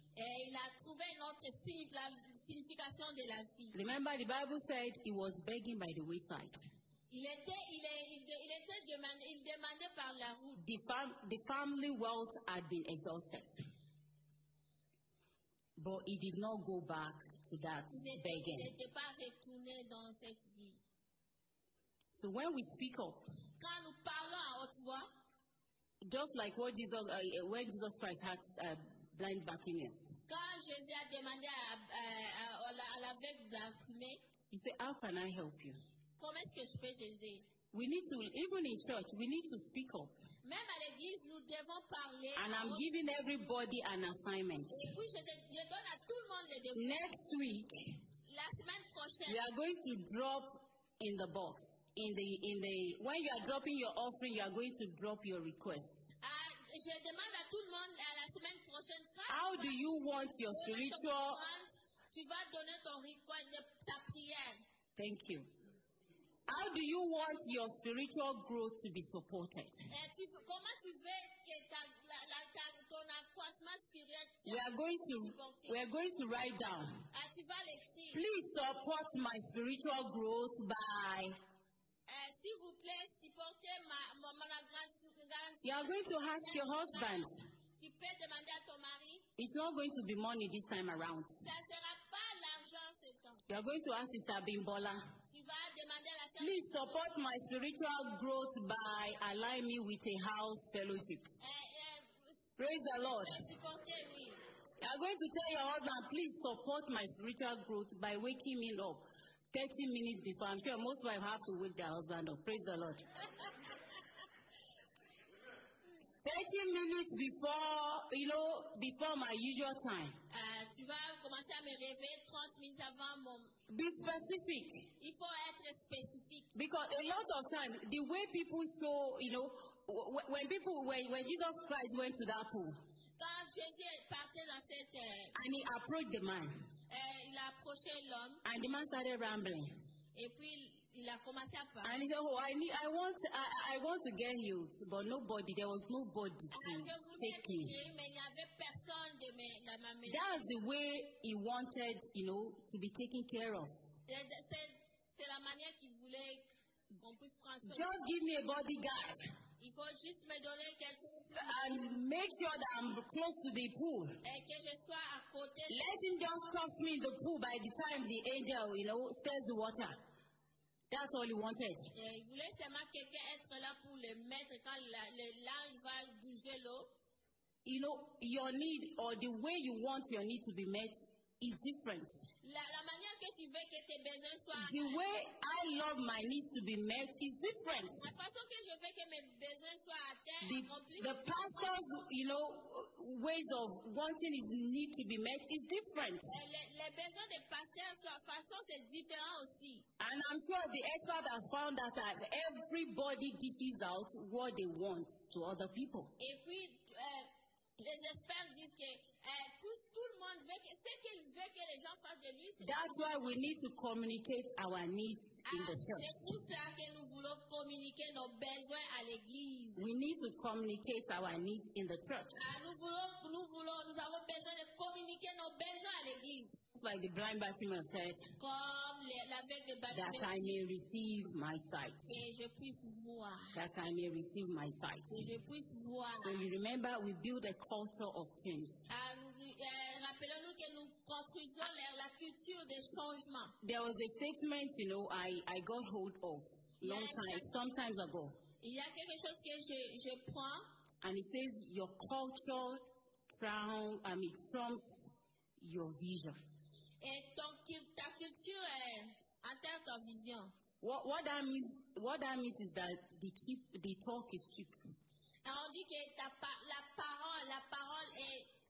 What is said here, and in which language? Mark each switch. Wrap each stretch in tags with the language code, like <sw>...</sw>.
<fr>Et il a trouvé une autre signification de la vie.</fr> <en>Remember, the Bible said he was begging by the wayside.</en> <fr>Il demandait par la route.</fr> <en>The family wealth had been exhausted. But he did not go back to that begging.</en> <fr>Il n'était pas retourné dans cette vie.</fr> <en>So when we speak up,</en> <fr>quand nous parlons à haute voix,</fr> <en>just like what Jesus, when Jesus Christ had blind Bartimaeus,</en> <fr>quand Jésus a demandé à l'aveugle Bartimée,</fr> <en>he said, "How can I help you?"</en> <fr>Comment est-ce que je peux t'aider?</fr> <en>We need to, even in church, we need to speak up.</en> <fr>Même à l'église, nous devons parler.</fr> <en>And I'm giving everybody an assignment.</en> <fr>Et puis je donne à tout le monde le devoir.</fr> <en>Next week,</en> <fr>la semaine prochaine,</fr> <en>we are going to drop in the box. In the when you are dropping your offering, you are going to drop your request.</en> <fr>Je demande à tout le monde à la semaine prochaine.</fr> <en>How do you want your spiritual?</en> <fr>Tu vas donner ton request de ta prière.</fr> <en>Thank you. How do you want your spiritual growth to be supported?</en> <fr>Comment tu veux que ton accroissement spirituel?</fr> <en>We are going to write down.</en> <fr>Tu vas l'écrire.</fr> <en>Please support my spiritual growth by.</en> <fr>S'il vous plaît, supportez ma grâce.</fr> <en>You are going to ask your husband.</en> <fr>Tu peux demander à ton mari.</fr> <en>It's not going to be money this time around.</en> <fr>Ça sera pas l'argent ce temps.</fr> <en>You are going to ask Sister Bimbola.</en> <fr>Tu vas demander à la sœur.</fr> <en>Please support my spiritual growth by aligning me with a house fellowship. Praise the Lord. You are going to tell your husband, please support my spiritual growth by waking me up 30 minutes before. I'm sure most wives have to wake their husband up. Praise the Lord. 30 minutes before, you know, before my usual time.</en> <fr>Tu vas commencer à me réveiller 30 minutes avant mon.</fr> <en>Be specific.</en> <fr>Il faut être spécifique.</fr> <en>Because a lot of times, the way people show, you know, when Jesus Christ went to that pool.</en> <fr>Quand Jésus est parti dans cette.</fr> <en>And he approached the man.</en> <fr>Il a approché l'homme.</fr> <en>And the man started rambling.</en> <fr>Et puis. Il a commencé à parler.</fr> <en>And he said, "Oh, I want to get healed, but nobody. There was nobody to take me." That's the way he wanted, you know, to be taken care of.</en> <fr>C'est la manière qu'il voulait qu'on puisse prendre soin.</fr> <en>Just give me a bodyguard.</en> <fr>Il faut juste me donner quelque chose.</fr> <en>And make sure that I'm close to the pool.</en> <fr>Et que je sois à côté.</fr> <en>Let him just toss me in the pool by the time the angel, you know, stirs the water. That's all he wanted.</en> <fr>Il voulait seulement quelqu'un être là pour le mettre quand l'ange va bouger l'eau.</fr> <en>You know, your need or the way you want your need to be met is different.</en> <fr>La manière que tu veux que tes besoins soient.</fr> <en>The way I love my needs to be met is different.</en> <fr>La façon que je veux que mes besoins soient atteints.</fr> <en>The pastor's, you know, ways of wanting his need to be met is different.</en> <fr>Les besoins des pasteurs, la façon c'est différent aussi.</fr> <en>And I'm sure the expert has found that everybody dishes out what they want to other people.</en> <fr>Et puis, les experts disent que tout le monde veut que ce qu'il veut que les gens fassent de lui.</fr> <en>That's why we need to communicate our needs in the church.</en> <fr>C'est pour ça que nous voulons communiquer nos besoins à l'église.</fr> <en>We need to communicate our needs in the church.</en> <fr>Nous avons besoin de communiquer nos besoins à l'église.</fr> <en>Like the blind Bartimaeus said, that I may receive my sight.</en> <fr>Et je puisse voir.</fr> <en>That I may receive my sight.</en> <fr>Et je puisse voir.</fr> <en>So you remember, we build a culture of change.</en> <fr>Rappelons-nous que nous construisons la culture des changements.</fr> <en>There was a statement, you know, I got hold of sometimes ago.</en> <fr>Il y a quelque chose que je prends.</fr> <en>And it says, your culture trumps your vision.</en> <fr>Et ta culture est en ta vision.</fr> <en>What that means is that the talk is cheap.</en> <fr>Alors, on dit que la parole est.</fr>